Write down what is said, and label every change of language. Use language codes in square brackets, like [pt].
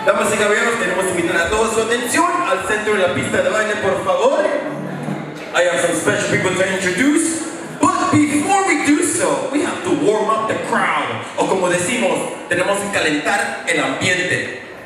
[es] Damas y caballeros, tenemos que invitar a todos su atención al centro de la pista de baile, por favor. [en] I have some special people to introduce, but before we do so, we have to warm up the crowd. [es] O como decimos, tenemos que calentar el ambiente.